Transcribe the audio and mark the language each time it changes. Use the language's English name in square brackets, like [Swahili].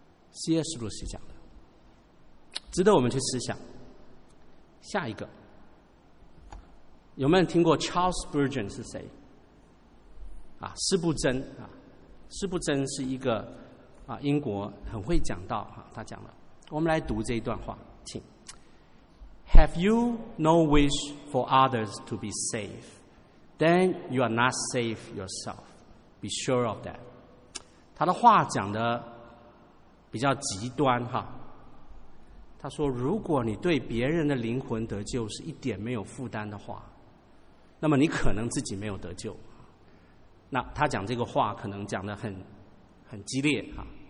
[Chinese] C.S. Lewis讲的，值得我们去思想。下一个，有没有听过 Charles Spurgeon 是谁？斯布珍，斯布珍是一个英国很会讲道，他讲了，我们来读这一段话，请。 [English] Have you no wish for others to be saved? Then you are not saved yourself. Be sure of that. [Chinese] 他的话讲的比较极端哈。他说，如果你对别人的灵魂得救是一点没有负担的话，那么你可能自己没有得救。那他讲这个话可能讲得很激烈哈。